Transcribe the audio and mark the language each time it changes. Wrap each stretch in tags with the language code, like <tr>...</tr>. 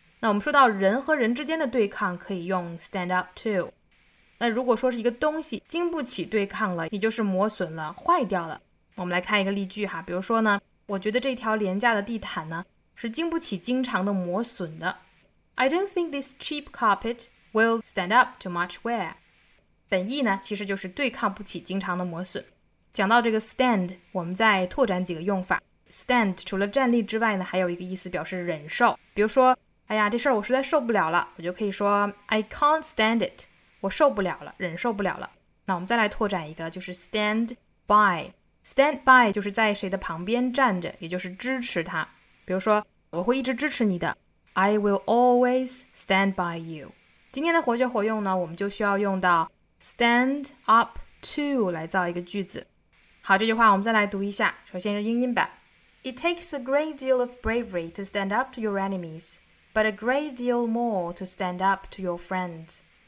<zh>那我们说到人和人之间的对抗，可以用 stand up to。那如果说是一个东西经不起对抗了，也就是磨损了、坏掉了。我们来看一个例句哈，比如说呢，我觉得这条廉价的地毯呢是经不起经常的磨损的。</zh> <en>I don't think this cheap carpet will stand up to much wear。</en> <zh>本意呢其实就是对抗不起经常的磨损。讲到这个 stand， 我们再拓展几个用法。stand 除了站立之外呢，还有一个意思表示忍受。比如说，哎呀，这事儿我实在受不了了，我就可以说 I can't stand it。我受不了了，忍受不了了。那我们再来拓展一个，就是 stand by。stand by 就是在谁的旁边站着，也就是支持他。比如说，我会一直支持你的 ， I will always stand by you。今天的活学活用呢，我们就需要用到 stand up to 来造一个句子。好，这句话我们再来读一下，首先是英音版。</zh> <en>It takes a great deal of bravery to stand up to your enemies, but a great deal more to stand up to your friends。</en>